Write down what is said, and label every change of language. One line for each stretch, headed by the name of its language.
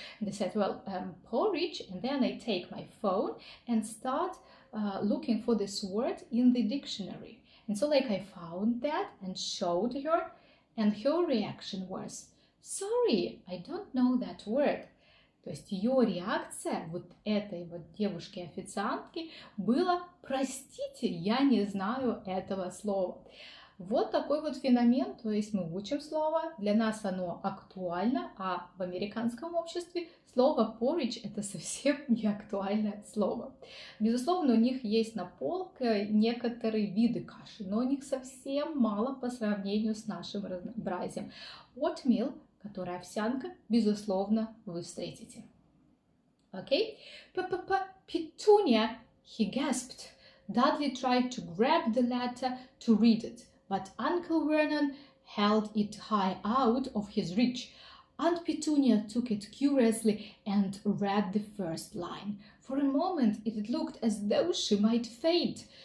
English: And they said, well, porridge, and then I take my phone and start looking for this word in the dictionary. And so, like, I found that and showed her, and her reaction was, sorry, I don't know that word.
Russian: То есть ее реакция вот этой вот девушки-официантки была «Простите, я не знаю этого слова». Вот такой вот феномен, то есть мы учим слово, для нас оно актуально, а в американском обществе слово porridge – это совсем не актуальное слово. Безусловно, у них есть на полке некоторые виды каши, но у них совсем мало по сравнению с нашим разнообразием. Oatmeal – которая овсянка, безусловно, вы встретите.
English: Окей? Okay? Petunia, he gasped. Dudley tried to grab the letter to read it, but Uncle Vernon held it high out of his reach. Aunt Petunia took it curiously and read the first line. For a moment, it looked as though she might faint.